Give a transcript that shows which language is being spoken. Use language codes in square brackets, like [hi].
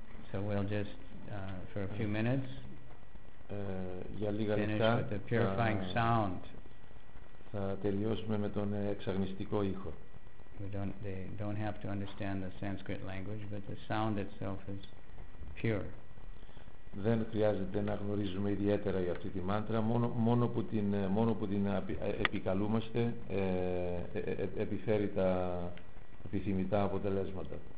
[en] So we'll just for a few minutes [el] για λίγα λεπτά [en] with the purifying sound. [el] Θα τελειώσουμε με τον εξαγνιστικό ήχο. [en] They don't have to understand the Sanskrit language, but the sound itself is pure. [el] Δεν χρειάζεται να γνωρίζουμε ιδιαίτερα για αυτή τη μάντρα, μόνο που την επικαλούμαστε επιφέρει τα επιθυμητά αποτελέσματα.